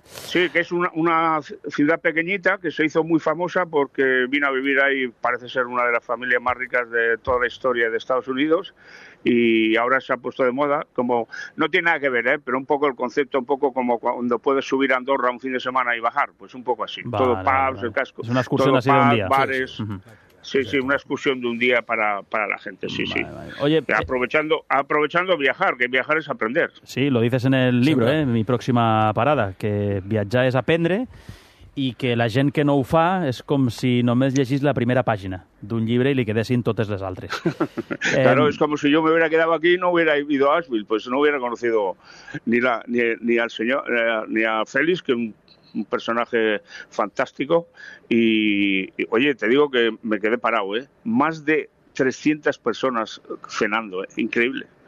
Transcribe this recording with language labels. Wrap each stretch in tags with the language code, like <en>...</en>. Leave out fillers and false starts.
<es>Sí, que es una ciudad pequeñita que se hizo muy famosa porque vino a vivir ahí, parece ser una de las familias más ricas de toda la historia de Estados Unidos, y ahora se ha puesto de moda, como no tiene nada que ver, pero un poco el concepto, un poco como cuando puedes subir a Andorra un fin de semana y bajar, pues un poco así, vale, todo pubs, vale. El casco. Es una excursión así de un día. Bares, sí, sí. Uh-huh. Sí, sí, una excursión de un día para la gente, sí, vale, sí. Vale. Oye, aprovechando viajar, que viajar es aprender. Sí, lo dices en el libro, sí, mi próxima parada,</es> <ca>que viatjar és aprendre i que la gent que no ho fa és com si només llegís la primera pàgina d'un llibre i li quedessin totes les altres.</ca> <es>Claro, es como si yo me hubiera quedado aquí y no hubiera ido a Asheville, pues no hubiera conocido ni al señor, ni a Félix, que un personaje fantástico, y oye, te digo que me quedé parado, más de 300 personas cenando, increíble.</es>